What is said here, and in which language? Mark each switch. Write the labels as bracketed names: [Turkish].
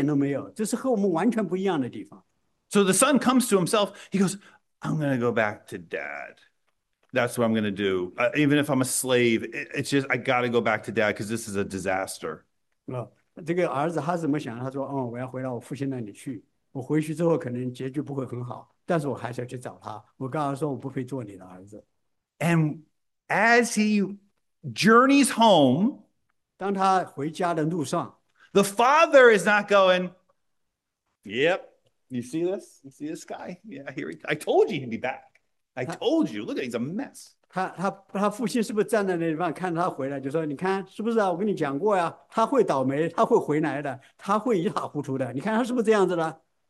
[Chinese] 这就是为什么我们读圣经，我们读圣经的时候，我们发现一件事情：神他自己的本性里头的思考跟我们人完全不一样。在他里面没有一点点的幸灾乐祸，他不会看见一个人倒霉，他就会心里很高兴，他一点都没有。这是和我们完全不一样的地方。 [English] So the son comes to himself. He goes, "I'm going to go back to dad. That's what I'm going to do. Even if I'm a slave, it's just, I got to go back to dad, because this is a disaster." [Chinese] 这个儿子他怎么想？他说：“哦，我要回到我父亲那里去。我回去之后，可能结局不会很好，但是我还是要去找他。我告诉他说，我不配做你的儿子。” [English] And as he journeys home, [Chinese] 当他回家的路上, [English] the father is not going, "Yep, you see this? You see this guy? Yeah, here he, I told you he'd be back. I told you. Look at he's a mess." [Chinese] 他父亲是不是站在那地方看他回来，就说你看是不是啊？我跟你讲过呀，他会倒霉，他会回来的，他会一塌糊涂的。你看他是不是这样子的？